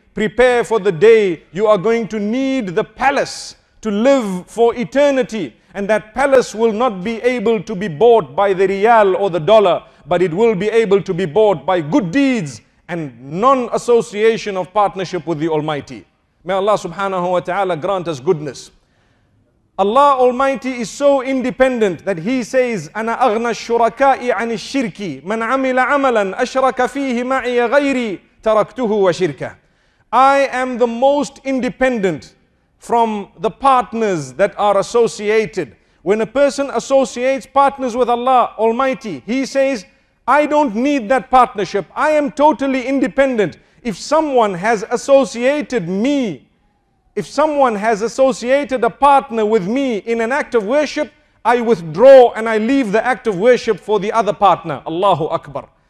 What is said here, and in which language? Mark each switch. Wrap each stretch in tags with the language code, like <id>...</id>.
<en>Prepare for the day you are going to need the palace to live for eternity. And that palace will not be able to be bought by the riyal or the dollar, but it will be able to be bought by good deeds and non-association of partnership with the Almighty. May Allah subhanahu wa ta'ala grant us goodness.</en> <ar>Allah Almighty is so independent that He says, أَنَا أَغْنَى الشُّرَكَاءِ عَنِ الشِّرْكِ مَنْ عَمِلَ عَمَلًا أَشْرَكَ فِيهِ مَعِيَ غَيْرِ تَرَكْتُهُ وَشِرْكَهُ.</ar> <en>I am the most independent from the partners that are associated. When a person associates partners with Allah Almighty, he says, I don't need that partnership. I am totally independent. If someone has associated me, if someone has associated a partner with me in an act of worship, I withdraw and I leave the act of worship for the other partner. Allahu Akbar.</en>